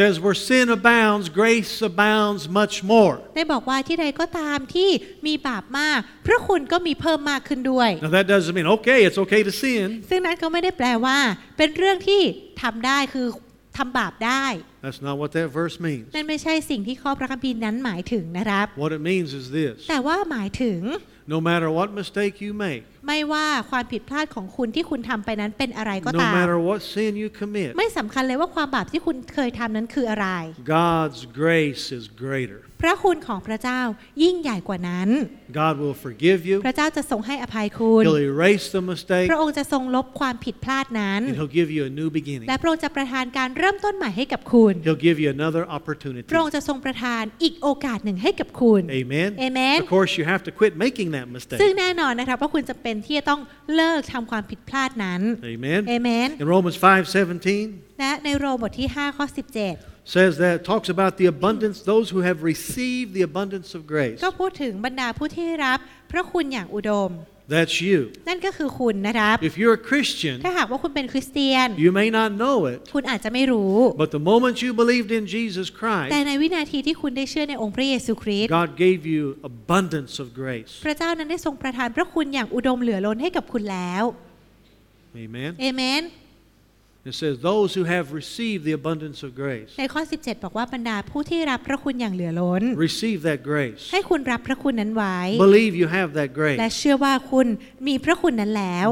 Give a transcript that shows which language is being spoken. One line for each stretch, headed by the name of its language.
English: says where sin abounds grace abounds much more
Thai: ได้บอกว่าที่ใดก็ตามที่มีบาปมากพระคุณก็มีเพิ่มมากขึ้นด้วย
English: Now that doesn't mean okay it's okay to sin
Thai: ซึ่งนั้นก็ไม่ได้แปลว่าเป็นเรื่องที่ทำได้คือทำบาปได้
English: That's not what that verse means.
Thai: นั่นไม่ใช่สิ่งที่ข้อพระคัมภีร์นั้นหมายถึงนะครับ
English: What it means is this.
Thai: แต่ว่าหมายถึง
English: No matter what mistake you make.
Thai: ไม่ว่าความผิดพลาดของคุณที่คุณทำไปนั้นเป็นอะไรก็ตาม
English: No matter what sin you commit.
Thai: ไม่สำคัญเลยว่าความบาปที่คุณเคยทำนั้นคืออะไร
English: God's grace is greater.
Thai: พระคุณของพระเจ้ายิ่งใหญ่กว่านั้น
English: God will forgive you.
Thai: พระเจ้าจะทรงให้อภัยคุณ
English: He'll erase the mistake.
Thai: พระองค์จะทรงลบความผิดพลาดนั้น
English: And He'll give you a new beginning.
Thai: และพระองค์จะประทานการเริ่มต้นใหม่ให้กับคุณ
English: He'll give you another opportunity.
Thai: พระองค์จะทรงประทานอีกโอกาสหนึ่งให้กับคุณ
English: Amen. Amen. Of course you have to quit making that mistake.
Thai: ซึ่งแน่นอนนะครับว่าคุณจะเป็นที่จะต้องเลิกทำความผิดพลาดนั้น
English: Amen. Amen. In Romans 5:17.
Thai: และในโรมบทที่5ข้อ17
English: says that talks about the abundance those who have received the abundance of grace
Thai: ก็พูดถึงบรรดาผู้ที่รับพระคุณอย่างอุดม
English: That's you
Thai: นั่นก็คือคุณนะครับ
English: If you're a Christian
Thai: ถ้าหากว่าคุณเป็นคริสเตียน
English: You may not know it
Thai: คุณอาจจะไม่รู้
English: But the moment you believed in Jesus Christ
Thai: แต่ในวินาทีที่คุณได้เชื่อในองค์พระเยซูคริสต์
English: God gave you abundance of grace
Thai: พระเจ้านั้นได้ทรงประทานพระคุณอย่างอุดมเหลือล้นให้กับคุณแล้ว
English: Amen Amen It says those who have received the abundance of grace.
Thai: ในข้อ17บอกว่าบรรดาผู้ที่รับพระคุณอย่างเหลือล้น
English: receive that grace.
Thai: ให้คุณรับพระคุณนั้นไว้
English: believe you have that grace.
Thai: และเชื่อว่าคุณมีพระคุณนั้นแล้ว